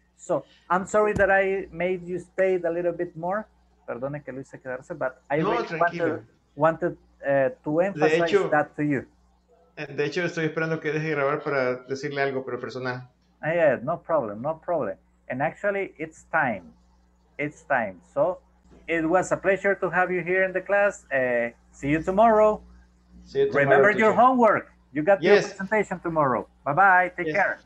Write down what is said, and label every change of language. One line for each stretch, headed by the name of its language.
English: So, I'm sorry that I made you stay a little bit more.
Spanish: Perdone que lo hice quedarse,
English: but I wanted to emphasize that to you.
Spanish: De hecho, estoy esperando que deje grabar para decirle algo, pero personal.
English: Yeah, no problem, no problem. And actually, it's time. It's time. So, it was a pleasure to have you here in the class. See you tomorrow. See you tomorrow. Remember your homework. You got your presentation tomorrow. Bye-bye. Take care.